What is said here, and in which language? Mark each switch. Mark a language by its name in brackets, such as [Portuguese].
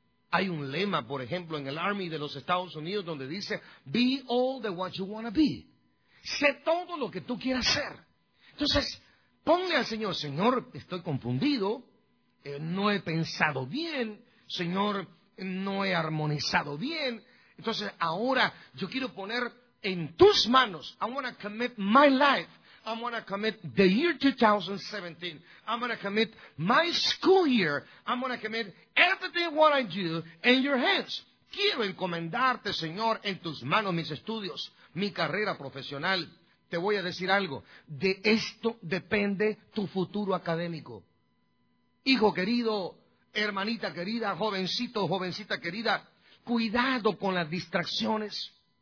[Spanish] Hay un lema, por ejemplo, en el Army de los Estados Unidos, donde dice, [English] be all the what you want to be. [Spanish] Sé todo lo que tú quieras ser. Entonces, ponle al Señor, Señor, estoy confundido, no he pensado bien, Señor, no he armonizado bien. Entonces, ahora yo quiero poner en tus manos, [English] I want to commit my life, I want to commit the year 2017, I want to commit my school year, I want to commit everything what I do in your hands. [Spanish] Quiero encomendarte, Señor, en tus manos mis estudios, mi carrera profesional. Te voy a decir algo, de esto depende tu futuro académico. Hijo querido, hermanita querida, jovencito, jovencita querida, cuidado con las distracciones.